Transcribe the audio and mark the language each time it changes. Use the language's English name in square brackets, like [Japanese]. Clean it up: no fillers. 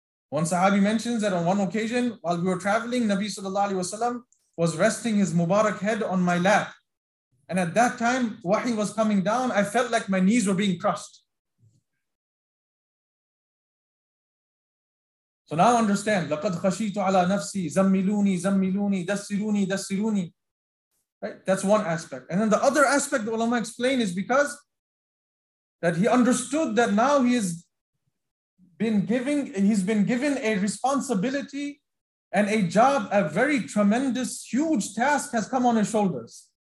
[English] One Sahabi mentions that on one occasion, while we were traveling, Nabi sallallahu alayhi wa sallam was resting his Mubarak head on my lap. And at that time, wahi was coming down. I felt like my knees were being crushed. So now understand, [Arabic] لَقَدْ خَشِيتُ عَلَى نَفْسِي زَمِّلُونِي زَمِّلُونِي دَسِّرُونِي دَسِّرُونِي. [English] Right? That's one aspect. And then the other aspect the ulama explained is because that he understood that now he is he's been given a responsibility and a job, a very tremendous, huge task has come on his shoulders.